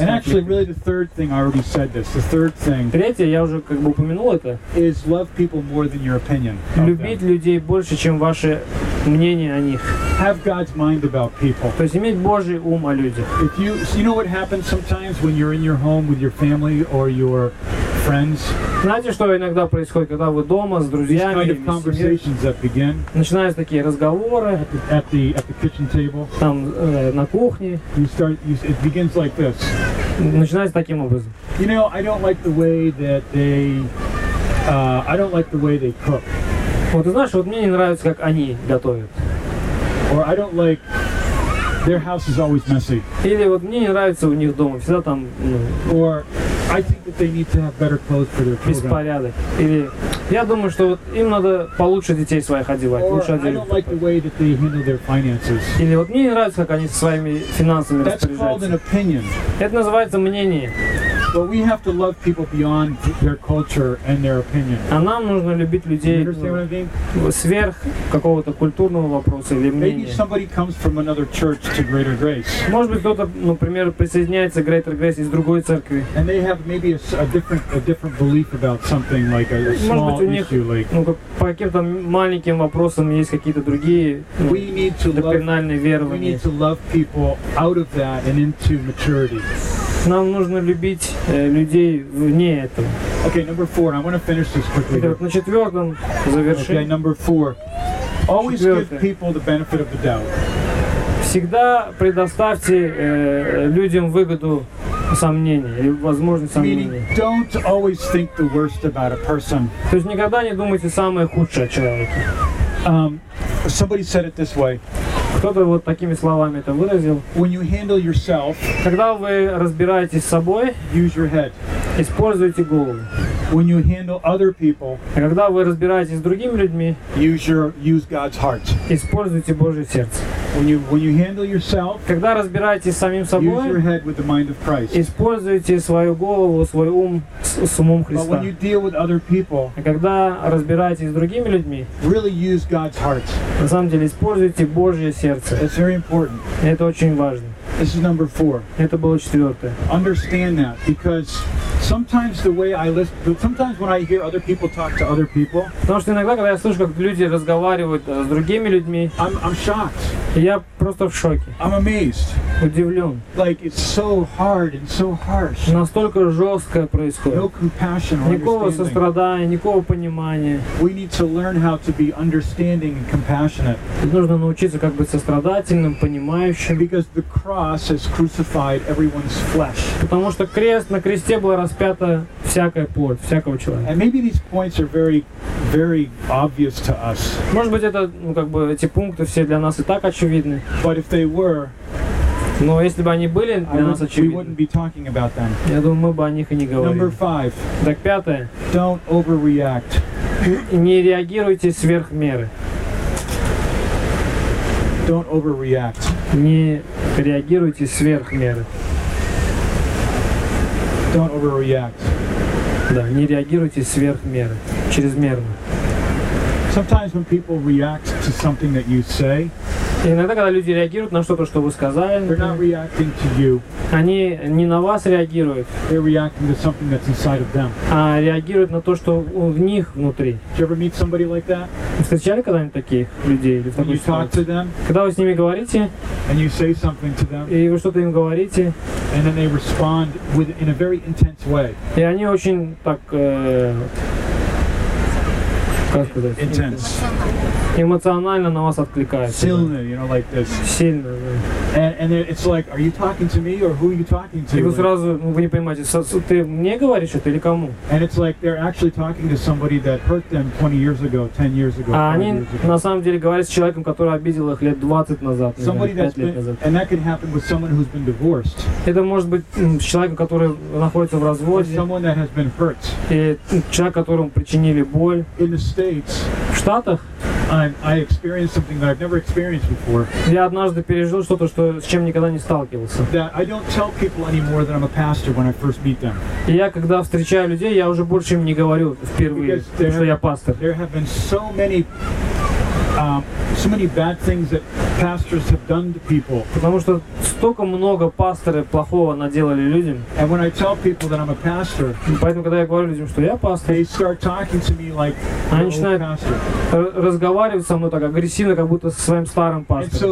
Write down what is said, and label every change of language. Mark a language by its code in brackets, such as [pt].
[ru] этим? [en] And actually, really, the third thing I already said this. The third thing. [ru] Третье, я уже как бы упомянул это. [en] Is love people more than your opinion. [ru] Любить людей больше, чем ваше мнение о них. [en] Have God's mind about people. [ru] То есть иметь Божий ум о людях. [en] If you, so you know what happens sometimes when you're in your home with your family or your friends. [ru] Знаете, что иногда происходит, когда вы дома с друзьями, [en] kind of conversations that begin, [ru] начинаются такие разговоры [en] at the kitchen table, [ru] там на кухне. [en] It begins like this. [ru] Начинается таким образом. [en] You know, I don't like the way that they. I don't like the way they cook. [ru] Вот ты знаешь, вот мне не нравится, как они готовят. [en] Or I don't like their house is always messy. [ru] Или вот мне не нравится у них дома, всегда там. [en] Or I think that they need to have better clothes for their children. [ru] Беспорядок. Или я думаю, что вот им надо получше детей своих одевать, лучше одевать. [en] Or I don't like the way that they handle their finances. [ru] Или вот мне не нравится, как они со своими финансами распоряжаются. [en] That's called an opinion. [ru] Это называется мнение. [en] But we have to love people beyond their culture and their opinion. [ru] А нам нужно любить людей сверх какого-то культурного вопроса или мнения. [en] Maybe somebody comes from another church to Greater Grace. [ru] Может быть, кто-то, например, присоединяется к Greater Grace из другой церкви. [en] And they have maybe a different belief about something like a small [ru] может быть, у них, [en] issue like. [ru] Ну, как, по каким-то маленьким вопросам есть какие-то другие доктринальные верования. [en] We need to love people out of that and into maturity. [ru] Нам нужно любить людей вне этого. [en] Okay, number four. I want to finish this quickly. [ru] Итак, на четвертом завершим. [en] Okay, number four. Always give people the benefit of the doubt. [ru] Всегда предоставьте людям выгоду сомнения или возможность сомнения. [en] Meaning, don't always think the worst about a person. [ru] То есть никогда не думайте самое худшее о человеке. [en] Somebody said it this way. [ru] Кто-то вот такими словами это выразил. [en] When you handle yourself, [ru] когда вы разбираетесь с собой, [en] use your head. [ru] Используйте голову. [en] When you handle other people, [ru] когда вы разбираетесь с другими людьми, [en] use God's heart. [ru] Используйте Божье сердце. [en] When you handle yourself, [ru] когда разбираетесь с самим собой, [en] use your head with the mind of Christ. [ru] Используйте свою голову, свой ум с умом Христа. [en] But when you deal with other people, [ru] когда разбираетесь с другими людьми, [en] really use God's heart. [ru] На самом деле, используйте Божье сердце. [en] It's very important. [ru] Это очень важно. [en] This is number four. [ru] Это было четвертое. [en] Understand that, because sometimes the way I listen, sometimes when I hear other people talk to other people, [ru] потому что иногда, когда я слышу, как люди разговаривают с другими людьми, [en] I'm shocked. [ru] Я просто в шоке. [en] I'm amazed. [ru] Удивлен. [en] Like it's so hard and so harsh. [ru] Настолько жестко происходит. [en] No compassion. [ru] Никакого сострадания, никакого понимания. [en] We need to learn how to be understanding and compassionate. [ru] Нужно научиться как быть сострадательным, понимающим. [en] Because the cross has crucified everyone's flesh. [ru] Потому что крест на кресте была распята всякая плоть, всякого человека. [en] And maybe these points are very, very obvious to us. [ru] Может быть, это, ну, как бы эти пункты все для нас и так очевидны. [en] But if they were, [ru] но если бы они были для нас очевидны, [en] we wouldn't be talking about them. [ru] Я думаю, мы бы о них и не говорили. [en] Number five. [ru] Так, пятое. [en] Don't overreact. [ru] Не реагируйте сверх меры. [en] Don't overreact. [ru] Не реагируйте сверх меры. [en] Don't overreact. [ru] Да, не реагируйте сверх меры, чрезмерно. [en] Sometimes when people react to something that you say, [ru] иногда, когда люди реагируют на что-то, что вы сказали, [en] they're not reacting to you. [ru] Они не на вас реагируют, [en] they're reacting to something that's inside of them. [ru] А реагируют на то, что в них внутри. [en] Did you ever meet somebody like that? [ru] Встречали когда-нибудь таких людей? Или [en] when you talk to them, [ru] когда вы с ними говорите, [en] and you say something to them, [ru] и вы что-то им говорите, [en] and then they respond with, in a very intense way. [ru] И они очень так, как сказать? [en] Intense. [ru] Эмоционально на вас откликается. Сильно, [en] you know, like this. [ru] Сильно, да. [en] And it's like, are you talking to me or who are you talking to? [ru] И вы сразу, ну, вы не понимаете, ты мне говоришь что-то или кому? [en] And it's like they're actually talking to somebody that hurt them 20 years ago, 10 years ago. [ru] А они на самом деле говорят с человеком, который обидел их лет 20 назад. [en] Somebody that's been, and that can happen with someone who's been divorced. [ru] Это может быть с человеком, который находится в разводе. [en] Someone that has been hurt. [ru] И человек, которому причинили боль. [en] In the States. [ru] В Штатах. [en] I experienced something that I've never experienced before. [ru] Я однажды пережил что-то, что с чем никогда не сталкивался. [en] That I don't tell people anymore that I'm a pastor when I first meet them. [ru] Я когда встречаю людей, я уже больше им не говорю впервые, что я пастор. [en] There have been so many bad things that pastors have done to people. [ru] Потому что столько много пасторы плохого наделали людям. [en] And when I tell people that I'm a pastor, [ru] поэтому когда я говорю людям, что я пастор, [en] they start talking to me like [ru] они начинают разговаривать со мной так агрессивно, как будто со своим старым пастором.